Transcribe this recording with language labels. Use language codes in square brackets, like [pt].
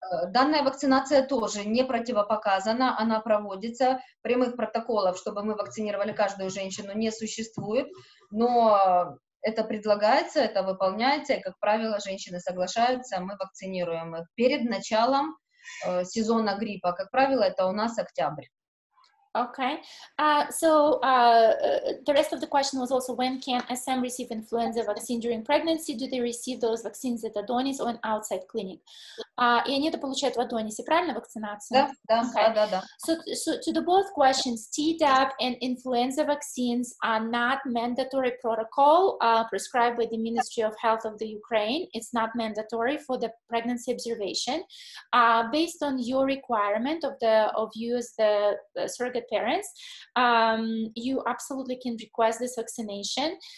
[ru] Данная вакцинация тоже не противопоказана, она проводится. Прямых протоколов, чтобы мы вакцинировали каждую женщину, не существует. Но это предлагается, это выполняется, и, как правило, женщины соглашаются, мы вакцинируем их перед началом сезона гриппа. Как правило, это у нас октябрь. [en] Okay, so the rest of the question was also, when can SM receive influenza vaccine during pregnancy? Do they receive those vaccines at Adonis or an outside clinic? [ru] И они это получают в Адонисе, правильно, вакцинацию? Да. [en] So to the both questions, Tdap and influenza vaccines are not mandatory protocol prescribed by the Ministry of Health of the Ukraine. It's not mandatory for the pregnancy observation. Based on your requirement of you as the surrogate parents, you absolutely can request this vaccination.